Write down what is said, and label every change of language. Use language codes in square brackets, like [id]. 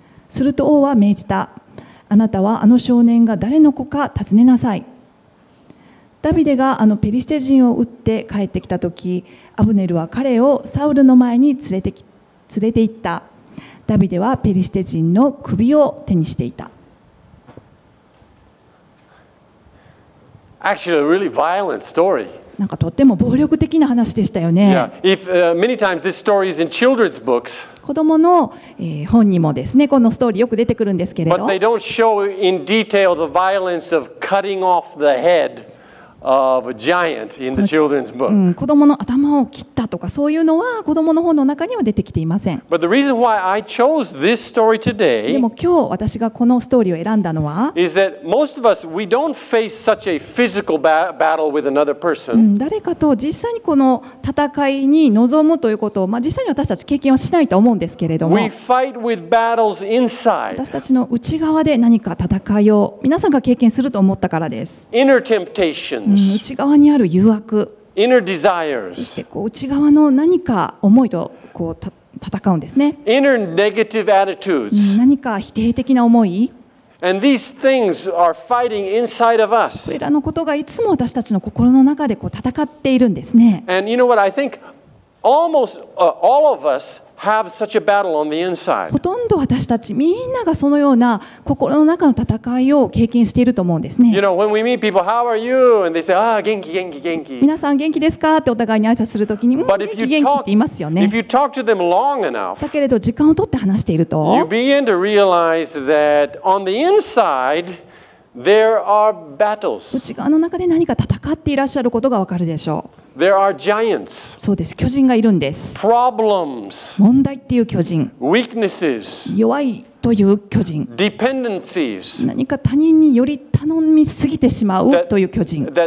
[ja] すると王は命じた。あなたはあの少年が誰の子か尋ねなさい。ダビデがあのペリシテ人を撃って帰ってきたとき、アブネルは彼をサウルの前に連れて行った。ダビデはペリシテ人の首を手にしていた。 [en] Actually, a really violent story. [ja] なんかとっても暴力的な話でしたよね。 [en] Yeah. If, many times this story is in children's books, [ja] 子供の、本にもですね、このストーリーよく出てくるんですけれど。 [en] But they don't show in detail the violence of cutting off the head. Of a giant in the children's book. [ja] 子供の頭を切ったとかそういうのは子供の本の中には出てきていません。 [en] But the reason why I chose this story today [ja] でも今日私がこのストーリーを選んだのは [en] is that most of us, we don't face such a physical battle with another person. [ja] 誰かと実際にこの戦いに臨むということを、まあ、実際に私たち経験はしないと思うんですけれども [en] we fight with battles inside. [ja] 私たちの内側で何か戦いを皆さんが経験すると思ったからです。 [en] Inner temptation. [ja] 内側にある誘惑、 [en] Inner desires. [ja] そしてこう内側の何か思いとこう戦うんですね。 [en] Inner negative attitudes. [ja] 何か否定的な思い、 [en] And these things are fighting inside of us. [ja] これらのことがいつも私たちの心の中でこう戦っているんですね。 [en] And you know what? I think almost all of us have such a battle on the inside. [ja] ほとんど私たちみんながそのような心の中の戦いを経験していると思うんですね。 [en] You know, when we meet people, how are you? And they say, ah, [ja] 元気、元気、元気。皆さん元気ですかってお互いに挨拶するときに、元気、元気って言いますよね。 [en] If you talk to them long enough, [ja] だけれど時間を取って話していると、 [en] you begin to realize that on the inside. There are battles. [ja] 内側の中で何か戦っていらっしゃることがわかるでしょう。 [en] There are giants. [ja] そうです、巨人がいるんです。 [en] Problems. [ja] 問題っていう巨人。 [en] Weaknesses. [ja] 弱いという巨人。 [en] Dependencies. [ja] 何か他人により頼みすぎてしまうという巨人。